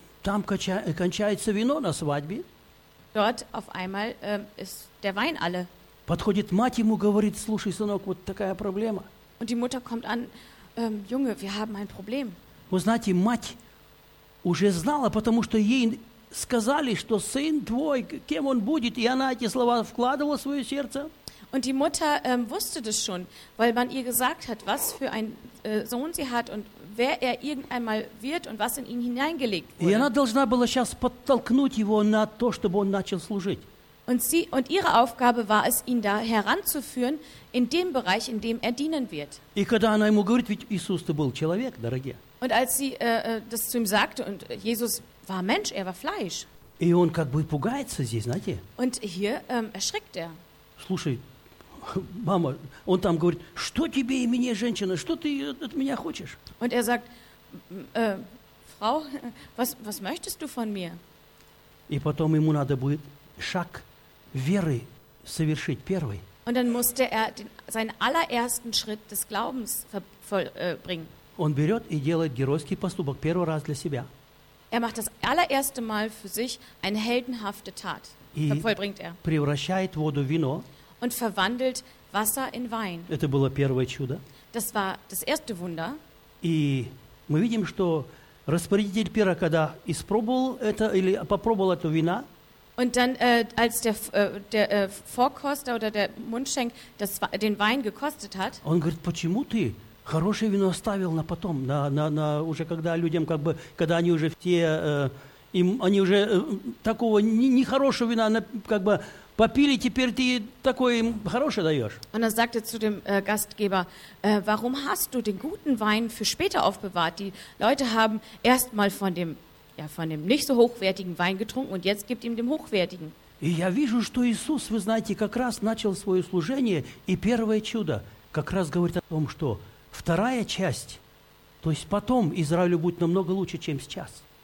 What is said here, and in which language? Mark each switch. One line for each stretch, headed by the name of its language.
Russian: Там кончается вино на свадьбе.
German: Dort auf einmal ist der Wein alle.
Russian: Подходит мать ему, говорит, слушай, сынок, вот такая проблема.
German: Und die Mutter kommt an, Junge, wir haben ein Problem.
Russian: Вы знаете, мать уже знала, потому что ей сказали, что сын твой, кем он будет, и она эти слова вкладывала в свое сердце.
German: Und die Mutter wusste das schon, weil man ihr gesagt hat, was für ein Sohn sie hat und wer er irgendeinmal wird und was in ihn hineingelegt wurde.
Russian: И она должна была сейчас подтолкнуть его на то, чтобы он начал служить.
German: Und ihre Aufgabe war es, ihn da heranzuführen in dem Bereich, in dem er dienen wird.
Russian: И когда она ему говорит, ведь Иисус ты был человек, дорогие.
German: Und als sie das zu ihm sagte, und Jesus war Mensch, er war Fleisch.
Russian: И он как бы пугается здесь, знаете?
German: Und hier erschrickt er.
Russian: Слушай, мама, он там говорит, что тебе и мне, женщина, что ты от меня хочешь?
German: Und er sagt, Frau, was möchtest du von mir?
Russian: И потом ему надо будет шаг веры совершить первый.
German: Und dann musste er seinen allerersten Schritt des Glaubens vollbringen.
Russian: Он берет и делает геройский поступок первый раз для себя.
German: Er macht das allererste Mal für sich eine heldenhafte Tat.
Russian: И
German: vollbringt er.
Russian: Превращает воду в вино.
German: Und verwandelt Wasser in Wein.
Russian: Это было первое чудо.
German: Das war das erste Wunder.
Russian: И мы видим, что распорядитель пира, когда испробовал это или попробовал это вино.
German: Und dann als der Vorkoster oder der Mundschenk das den Wein gekostet hat.
Russian: Он говорит, почему ты хорошее вино оставил на потом, на уже когда людям как бы, когда они уже все И они уже такого нехорошего вина как бы попили, теперь ты такое им хорошее даешь.
German: Und er sagte zu dem Gastgeber, warum hast du den guten Wein für später aufbewahrt? Die Leute haben erst mal von dem, ja, von dem nicht so hochwertigen Wein getrunken und jetzt gibt ihm dem hochwertigen.
Russian: И я вижу, что Иисус, вы знаете, как раз начал свое служение, и первое чудо как раз говорит о том, что вторая часть, то есть потом Израилю будет намного лучше, чем сейчас.